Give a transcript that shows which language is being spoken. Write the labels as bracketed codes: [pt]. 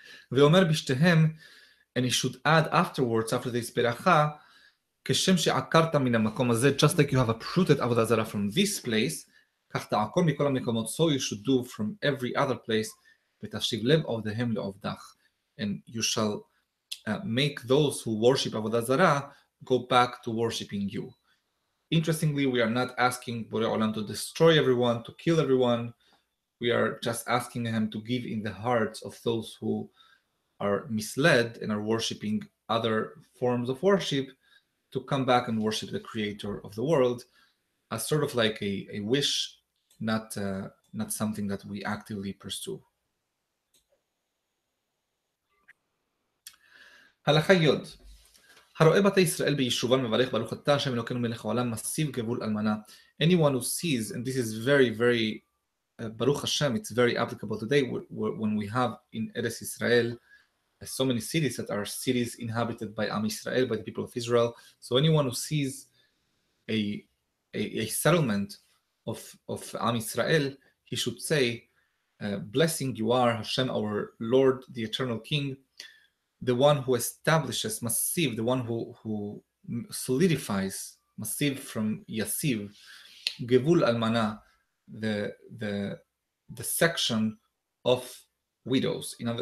[he] ואומר בשתיהם, [en] and he should add afterwards, after this ברכה, [he] כשם שעקרת מן המקום הזה, [en] just like you have uprooted עבודה זרה from this place, [he] כך תעקור מכל המקומות, [en] so you should do from every other place, [he] ותשיב לב עובדיהם לעובדך. [en] And you shall make those who worship עבודה זרה go back to worshiping you. Interestingly, we are not asking Borei Olam to destroy everyone, to kill everyone. We are just asking him to give in the hearts of those who are misled and are worshiping other forms of worship to come back and worship the creator of the world as sort of like a wish, not something that we actively pursue. Halakha Yod. [he] הרואה בתי ישראל ביישובן מברך ברוך אתה השם אלוקינו מלך העולם מסיב גבול אלמנה. [en] Anyone who sees, and this is very, very, ברוך השם, it's very applicable today when we have in Eretz Israel so many cities that are cities inhabited by Am Israel, by the people of Israel. So anyone who sees a settlement of Am Israel, he should say, blessing you are Hashem our Lord, the Eternal King, the one who establishes massive, the one who solidifies massive from yasiv, gevul almana, the section of widows.